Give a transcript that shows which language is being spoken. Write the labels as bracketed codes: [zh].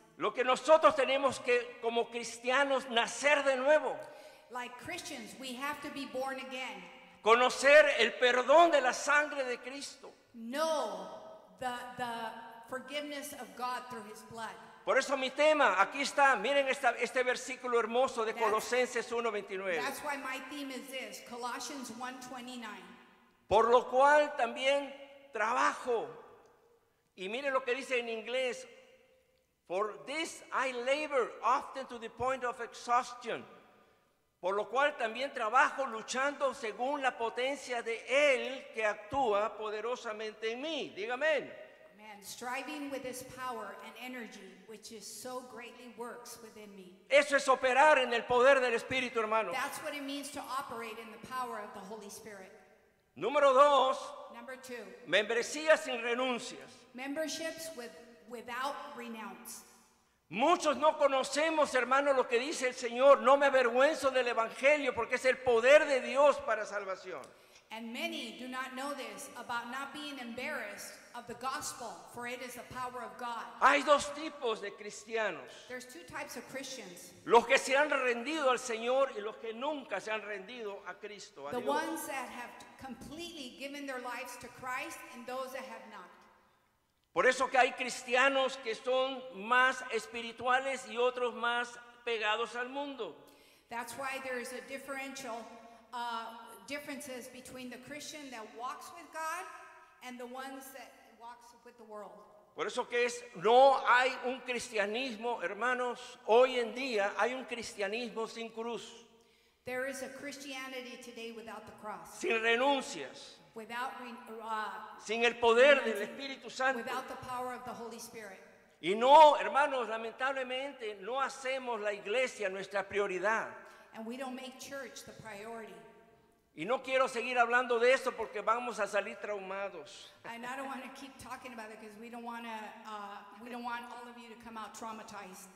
[es] Lo que nosotros tenemos que, como cristianos, nacer de nuevo. [en] Like Christians, we have to be born again. [es] Conocer el perdón de la sangre de Cristo. [en] Know the forgiveness of God through his blood. [es] Por eso mi tema, aquí está, miren esta, este versículo hermoso de Colosenses 1:29. [en] That's why my theme is this, Colossians 1:29. [es] Por lo cual también trabajo. Y miren lo que dice en inglés. [en] For this I labor often to the point of exhaustion. [es] Por lo cual también trabajo luchando según la potencia de Él que actúa poderosamente en mí. Dígame. [en] And striving with his power and energy, which is so greatly works within me. [es] Eso es operar en el poder del Espíritu, hermanos. [en] That's what it means to operate in the power of the Holy Spirit. [es] Número dos. [en] Number two. [es] Membresías sin renuncias. [en] Memberships without renounce. [es] Muchos no conocemos, hermanos, lo que dice el Señor. No me avergüenzo del Evangelio porque es el poder de Dios para salvación. [en] And many do not know this about not being embarrassed of the gospel, for it is the power of God. [es] Hay dos tipos de cristianos. [en] There's two types of Christians. [es] Los que se han rendido al Señor y los que nunca se han rendido a Cristo, a Dios. [en] The ones that have completely given their lives to Christ and those that have not. [es] Por eso que hay cristianos que son más espirituales y otros más pegados al mundo. [en] That's why there is a differential differences between the Christian that walks with God and the ones that walks with the world. [es] Por eso que es, no hay un cristianismo, hermanos, hoy en día hay un cristianismo sin cruz. [en] There is a Christianity today without the cross. [es] Sin renuncias. [en] Without [es] sin el poder del Espíritu Santo. [en] Without the power of the Holy Spirit. [es] Y no, hermanos, lamentablemente no hacemos la iglesia nuestra prioridad. [en] And we don't make church the priority. [es] Y no quiero seguir hablando de esto porque vamos a salir traumados. [en] And I don't want to keep talking about it because we don't want all of you to come out traumatized.